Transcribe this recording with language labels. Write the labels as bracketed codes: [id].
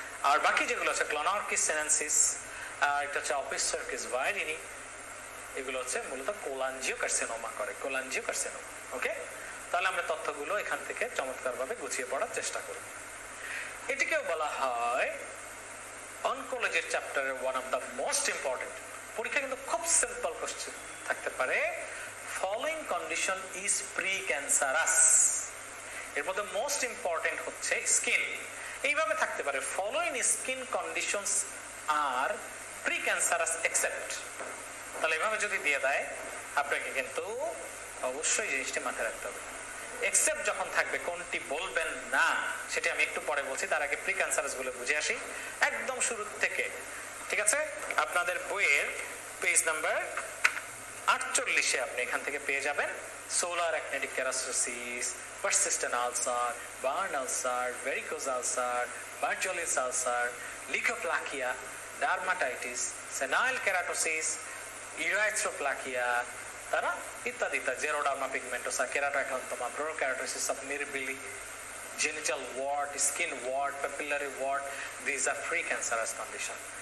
[bn] আর বাকি যেগুলো আছে ক্লোনার্কিস সেনেন্সিস আর একটা হচ্ছে অপিসার্কিস ভায়রিনি এগুলো হচ্ছে মূলত কোলাঞ্জিও কার্সিনোমা করে কোলাঞ্জিও কার্সিনোমা ওকে তাহলে আমরা তথ্যগুলো এখান থেকে চমৎকারভাবে গুছিয়ে পড়ার চেষ্টা করব এটিকেও বলা হয় অনকোলজির চ্যাপ্টারের [en] one of the most important [bn] পরীক্ষা কিন্তু খুব সিম্পল কোশ্চেন থাকতে পারে [en] following condition is precancerous. [bn] এর মধ্যে মোস্ট ইম্পর্টেন্ট হচ্ছে স্কিন, এইভাবে থাকতে পারে [en] Following skin conditions are precancerous except. [bn] তাহলে এভাবে যদি দিয়ে দেয় আপনাকে কিন্তু অবশ্যই জিনিসটি মাথায় রাখতে হবে। এক্সেপ্ট যখন থাকবে কোনটি বলবেন না সেটি আমি একটু পরে বলছি, তার আগে প্রিক্যান্সারাস গুলো বুঝে আসি একদম শুরু থেকে, ঠিক আছে? আপনাদের বইয়ের পেজ নাম্বার 48 আপনি এখান থেকে পেয়ে যাবেন [en] solar actinic keratosis, persistent ulcer, burn ulcer, varicose ulcer, bartholin's ulcer, leukoplakia, dermatitis, senile keratosis, erythroplakia, [bn] tara itadi ta [en] xeroderma pigmentosa, keratoacanthoma, prokeratosis of mirabili, genital wart, skin wart, papillary wart, these are precancerous condition.